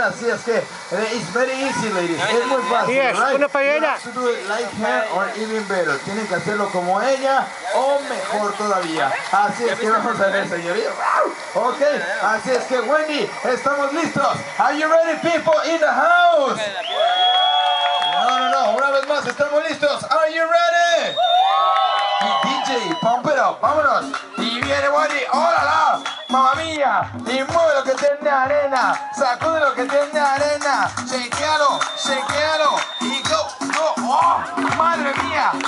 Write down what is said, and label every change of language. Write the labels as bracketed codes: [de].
[es] Así es que, [en] it's very easy, ladies. [es] Es muy fácil, right? Yes, una paella. [en] You have to do it like her or even better. [es] Tienen que hacerlo como ella o mejor todavía. Así es que vamos a ver, señorita. Okay, así es que, Wendy, estamos listos. [en] Are you ready, people in the house? [es] No, no, no, una vez más, estamos listos. [en] Are you ready? [es] Y DJ, [en] pump it up, [es] vámonos. Y viene Wendy, hola, la mamá mía. Y mueve lo que tiene arena, sacude lo que tiene arena. Chequealo, chequealo. Y go, go, oh, madre mía.